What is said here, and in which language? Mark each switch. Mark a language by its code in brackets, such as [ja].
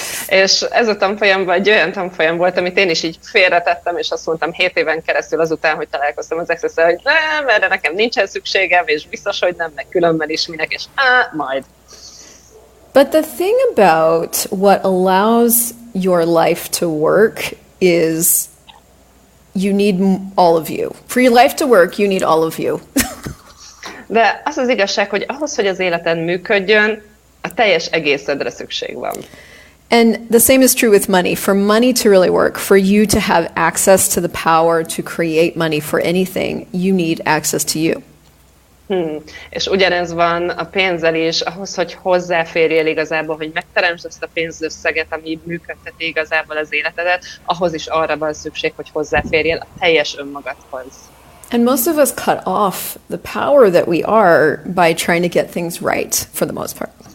[hu] És ez a tanfolyamban egy olyan tanfolyam volt, amit én is így félretettem, és azt mondtam 7 éven keresztül azután, hogy találkoztam az XS-szel, hogy nem, erre nekem nincsen szükségem, és biztos, hogy nem, meg különben is minek, és majd. [en] But the thing about what allows your life to work is you need all of you. For your life to work, you need all of you. [hu] De az az igazság, hogy ahhoz, hogy az életen működjön, a teljes egészedre szükség van. [en] And the same is true with money. For money to really work, for you to have access to the power to create money for anything, you need access to you. [hu] És ugyanez van a pénzzel is, ahhoz, hogy hozzáférjél igazából, hogy megteremtsd ezt a pénzösszeget, ami működteti igazából az életedet, ahhoz is arra van szükség, hogy hozzáférjél a teljes önmagadhoz. [en] And most of us cut off the power that we are by trying to get things right, for the most part.